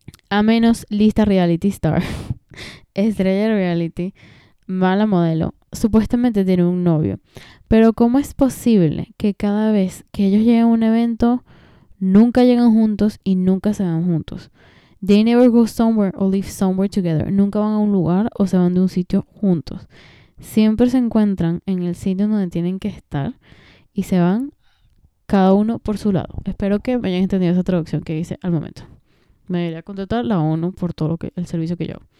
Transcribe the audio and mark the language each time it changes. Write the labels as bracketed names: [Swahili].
[Spanish] A menos lista reality star. Estrella reality. mala modelo, supuestamente tiene un novio. Pero ¿cómo es posible que cada vez que ellos llegan a un evento, nunca llegan juntos y nunca se van juntos? [English] They never go somewhere or live somewhere together. [Spanish] Nunca van a un lugar o se van de un sitio juntos. Siempre se encuentran en el sitio donde tienen que estar y se van cada uno por su lado. Espero que me hayan entendido esa traducción que hice al momento. Me debería contratar la ONU por todo lo que, el servicio que yo.